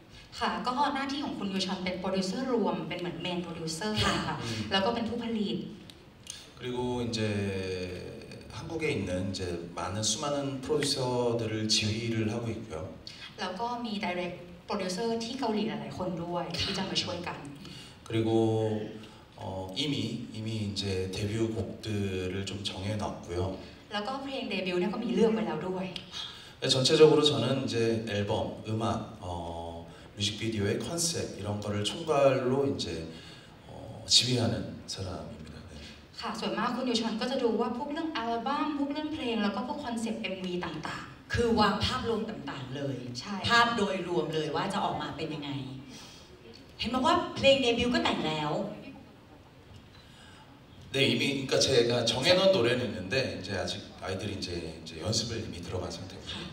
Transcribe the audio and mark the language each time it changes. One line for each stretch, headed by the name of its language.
Thai: ค่ะก็หน้าที่ของคุณยูชอนเป็นโปรดิวเซอร์รวมเป็นเหมือนเมนโปรดิวเซอร์ค่ะแล้วก็เป็นผู้ผลิต
Korean: 그리고이제한국에있는이제많은수많은프로듀서들을지휘를하고있고요
Thai: แล้วก็มีไดเรกต์โปรดิวเซอร์ที่เกาหลีหลายคนด้วยที่จะมาช่วยกัน
Korean: 그리고이미이제데뷔곡들을좀정해놨고요
Thai: แล้วก็เพลงเดบิวต์เนี่ยก็มีเลือกไปแล้วด้วย
Korean: 전체적으로저는이제앨범음악뮤직비디오의컨셉이런거를총괄로이제지휘하는사람입니다
Thai: ค่ะส่วนมากคุณยูชอนก็จะดูว่าพวกเรื่องอัลบั้มพวกเรื่องเพลงแล้วก็พวกคอนเซ็ปต์ MV ต่างๆ คือวางภาพรวมต่างๆเลย ใช่ ภาพโดยรวมเลยว่าจะออกมาเป็นยังไงเห็นมั้ยว่าเพลงเดบิวต์ก็แต่งแล้ว
Korean: 네이미그러니까제가정해놓은노래는있는데이제아직아이들이이제이제연습을이미들어간상태입니다